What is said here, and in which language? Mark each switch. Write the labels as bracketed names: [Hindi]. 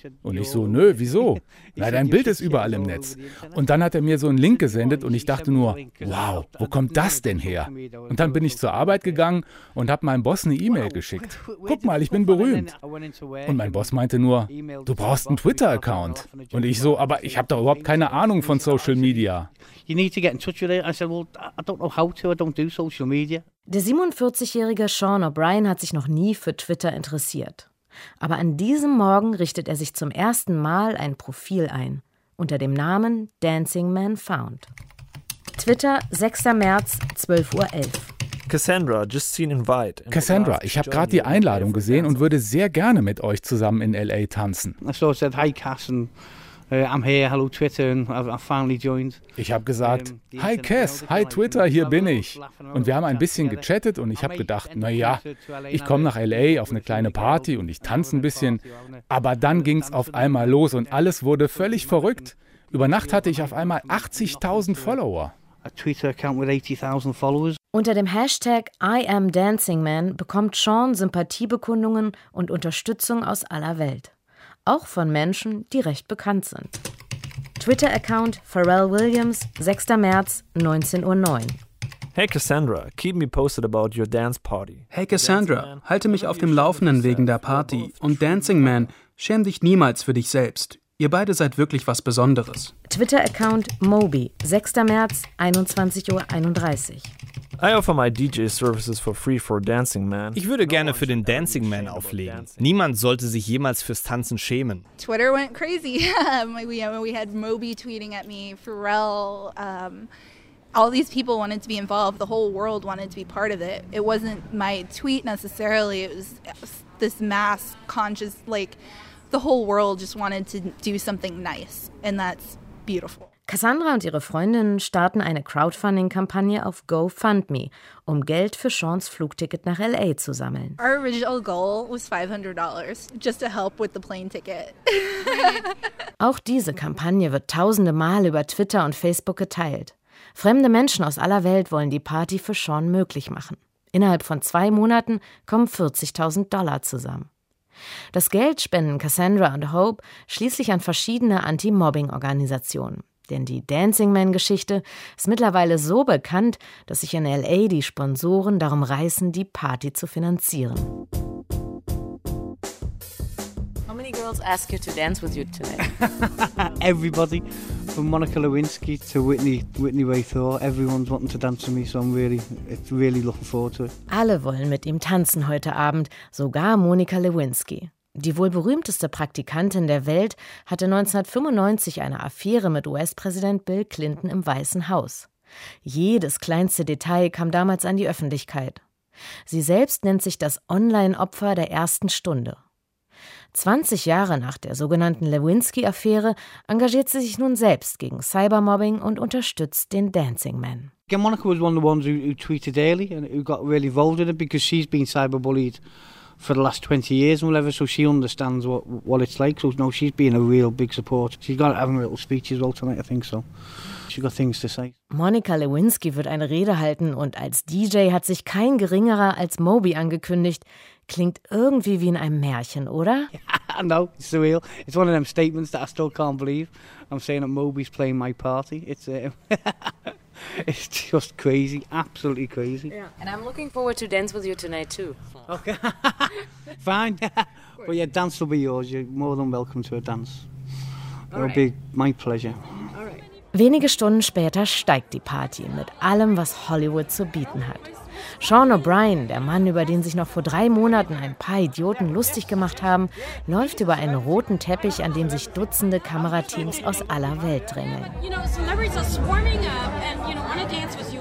[German] Und ich so, nö, wieso? Na, dein Bild ist überall im Netz. Und dann hat er mir so einen Link gesendet und ich dachte nur, wow, wo kommt das denn her? Und dann bin ich zur Arbeit gegangen und habe meinem Boss eine E-Mail geschickt. Guck mal, ich bin berühmt. Und mein Boss meinte nur, du brauchst einen Twitter-Account. Und ich so, aber ich habe doch überhaupt keine Ahnung von Social Media. [English] You need to get in touch with it. I said, well, I don't know how to. I don't do social media. [German] Der 47-jährige Sean O'Brien hat sich noch nie für Twitter interessiert. Aber an diesem Morgen richtet er sich zum ersten Mal ein Profil ein. Unter dem Namen Dancing Man Found. Twitter, 6. März, 12.11 Uhr. [English] Cassandra, just seen invite. [German] Cassandra, ich habe gerade die Einladung gesehen und würde sehr gerne mit euch zusammen in L.A. tanzen. [English] So I said, hi Cass, and I'm here, hello Twitter, and I finally joined. [German] Ich habe gesagt, hi Cass, hi Twitter, hier bin ich. Und wir haben ein bisschen gechattet und ich habe gedacht, naja, ich komme nach L.A. auf eine kleine Party und ich tanze ein bisschen. Aber dann ging es auf einmal los und alles wurde völlig verrückt. Über Nacht hatte ich auf einmal 80.000 Follower. [English] A Twitter-Account with 80.000 followers. [German] Unter dem Hashtag I am Dancing Man bekommt Sean Sympathiebekundungen und Unterstützung aus aller Welt. Auch von Menschen, die recht bekannt sind. Twitter-Account Pharrell Williams, 6. März, 19.09 Uhr. [English] Hey Cassandra, keep me posted about your dance party. [German] Hey Cassandra, halte mich auf dem Laufenden wegen der Party. Und Dancing Man, schäm dich niemals für dich selbst. Ihr beide seid wirklich was Besonderes. Twitter-Account Moby, 6. März, 21.31 Uhr. [English] I offer my DJ services for free for Dancing Man. [German] Ich würde gerne für den Dancing Man auflegen. Niemand sollte sich jemals fürs Tanzen schämen. [English] Twitter went crazy. We had Moby tweeting at me, Pharrell. All these people wanted to be involved. The whole world wanted to be part of it. It wasn't my tweet necessarily. It was this mass conscious, like the whole world just wanted to do something nice, and that's beautiful. [German] Cassandra und ihre Freundinnen starten eine Crowdfunding-Kampagne auf GoFundMe, um Geld für Seans Flugticket nach L.A. zu sammeln. [English] Our original goal was $500, just to help with the plane ticket. [German] Auch diese Kampagne wird tausende Mal über Twitter und Facebook geteilt. Fremde Menschen aus aller Welt wollen die Party für Sean möglich machen. Innerhalb von 2 Monaten kommen $40.000 zusammen. Das Geld spenden Cassandra und Hope schließlich an verschiedene Anti-Mobbing-Organisationen. Denn die Dancing-Man-Geschichte ist mittlerweile so bekannt, dass sich in L.A. die Sponsoren darum reißen, die Party zu finanzieren. [English] How many girls ask you to dance with you today? Everybody, from Monica Lewinsky to Whitney Waythor, everyone's wanting to dance with me, so I'm really looking forward to it. [German] Alle wollen mit ihm tanzen heute Abend, sogar Monica Lewinsky. Die wohl berühmteste Praktikantin der Welt hatte 1995 eine Affäre mit US-Präsident Bill Clinton im Weißen Haus. Jedes kleinste Detail kam damals an die Öffentlichkeit. Sie selbst nennt sich das Online-Opfer der ersten Stunde. 20 Jahre nach der sogenannten Lewinsky-Affäre engagiert sie sich nun selbst gegen Cybermobbing und unterstützt den Dancing Man. [English] Monica was one of the ones who tweeted daily and who got really involved in it because she's been cyberbullied. For the last 20 years and whatever, so she understands what it's like. So no, she's been a real big support. She's got having a little speech as well tonight, I think so. She's got things to say. [German] Monica Lewinsky wird eine Rede halten und als DJ hat sich kein geringerer als Moby angekündigt. Klingt irgendwie wie in einem Märchen, oder? [English] Yeah, I know, it's surreal. It's one of them statements that I still can't believe. I'm saying that Moby's playing my party. It's It's just crazy, absolutely crazy. Yeah. And I'm looking forward to dance with you tonight too. Okay, fine. But yeah, dance will be yours. You're more than welcome to a dance. It'll be my pleasure. All [German] right. Wenige Stunden später steigt die Party mit allem, was Hollywood zu bieten hat. Sean O'Brien, der Mann, über den sich noch vor 3 Monaten ein paar Idioten lustig gemacht haben, läuft über einen roten Teppich, an dem sich dutzende Kamerateams aus aller Welt drängeln. [English] You know, celebrities are swarming up and, you know, wanna dance with you.